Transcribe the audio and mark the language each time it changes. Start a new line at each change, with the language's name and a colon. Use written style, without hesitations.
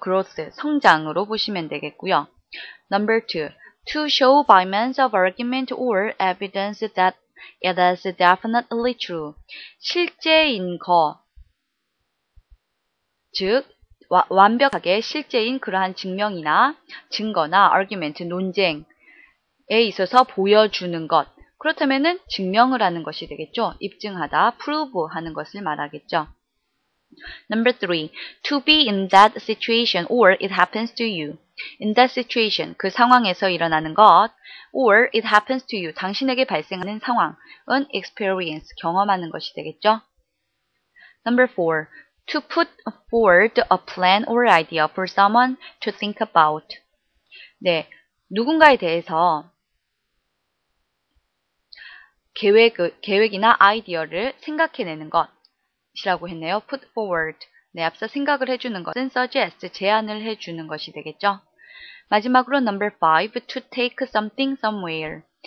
English: growth,
Korean: 성장으로 보시면 되겠고요.
English: number two, to show by means of argument or evidence that it is definitely true.
Korean: 실제인 거, 즉 완벽하게 실제인 그러한 증명이나 증거나 argument, 논쟁에 있어서 보여주는 것. 그렇다면 증명을 하는 것이 되겠죠. 입증하다, prove 하는 것을 말하겠죠.
English: Number three, to be in that situation or it happens to you. In that situation,
Korean: 그 상황에서 일어나는 것,
English: or it happens to you,
Korean: 당신에게 발생하는 상황은 experience, 경험하는 것이 되겠죠.
English: Number four, to put forward a plan or idea for someone to think about.
Korean: 네, 누군가에 대해서 계획이나 아이디어를 생각해내는 것이라고 했네요.
English: Put forward,
Korean: 네, 앞서 생각을 해주는 것은 suggest, 제안을 해주는 것이 되겠죠. 마지막으로 number 5,
English: to take something somewhere.